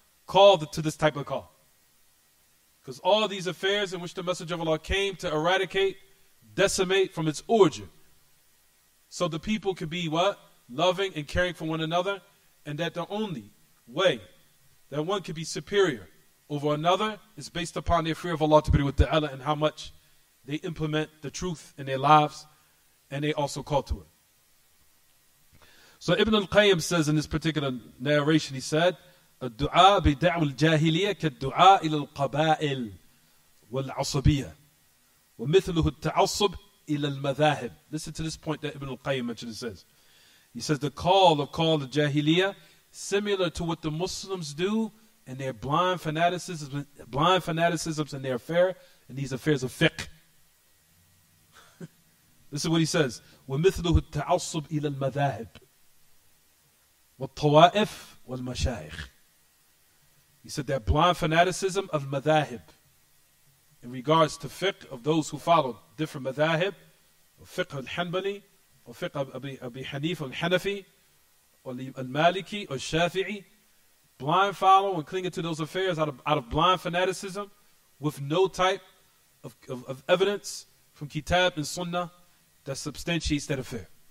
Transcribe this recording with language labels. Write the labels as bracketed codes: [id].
[en] Called to this type of call. Because all these affairs in which the Messenger of Allah came to eradicate, decimate from its origin, so the people could be what? Loving and caring for one another, and that the only way that one could be superior over another is based upon their fear of Allah Tabari wa Ta'ala and how much they implement the truth in their lives and they also call to it. So Ibn al-Qayyim says in this particular narration, he said, [ar] الدعاء بدعو الجاهلية كالدعاء إلى القبائل والعصبية ومثله التعصب إلى المذاهب. [en] Listen to this point that Ibn al-Qayyim mentioned. He says, the call of Jahiliyyah, similar to what the Muslims do in their blind fanaticisms in their affair, in these affairs of fiqh. This is what he says. [ar] ومثله التعصب إلى المذاهب والطوائف والمشايخ. [en] He said that blind fanaticism of madhahib in regards to fiqh of those who follow different madhahib, or fiqh al-Hanbali, or fiqh Abi Hanif al-Hanafi, or al-Maliki, or Shafi'i, blind follow and clinging to those affairs out of blind fanaticism with no type of evidence from Kitab and Sunnah that substantiates that affair.